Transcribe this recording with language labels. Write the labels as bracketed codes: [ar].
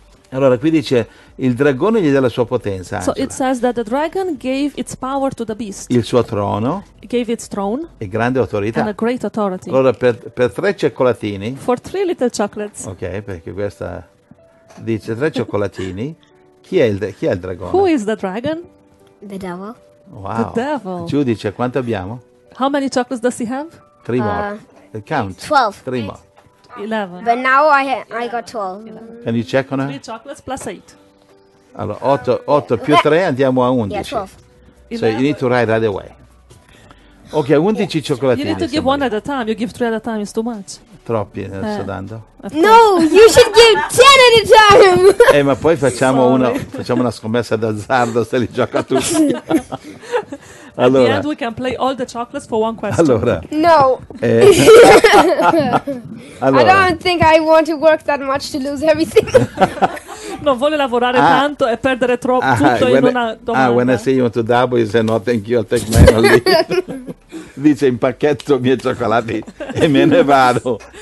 [it] Allora, qui dice, il dragone gli dà la sua potenza. [en] So it says that the dragon gave its power to the beast. [it] Il suo trono. [en] Gave its throne. [it] E grande autorità. [en] And a great authority. [it] Allora, per 3 cioccolatini. [en] For 3 little chocolates. [it] Ok, perché questa dice 3 cioccolatini. chi è il dragone? [en] Who is the dragon? The devil. Wow. The devil. [it] Giudice, quanto abbiamo? [en] How many chocolates does he have? 3 more. Count. 12. 3 more. 11. But now I got 12. 11. Can you check on her? 3 chocolates plus 8. [it] Allora, 8 più 3, andiamo a 11. [en] Yeah, 12. So 11. You need to write right away. Ok, 11 yeah. Cioccolatini. You need to give one at a time. You give 3 at a time. It's too much. [it] Troppi, sto dando. [en] No, you should give 10 at a time. [it] ma poi facciamo una scommessa d'azzardo se li gioca tutti. Allora, [en] in the end we can play all the chocolates for one question. [it] Allora, no. allora. [en] I don't think I want to work that much to lose everything. [it] Non vuole lavorare tanto e perdere troppo tutto in una domanda. [en] When I see you want to double, you say no, thank you, I'll take mine only. [it] Dice, impacchetto i miei cioccolati e me ne vado.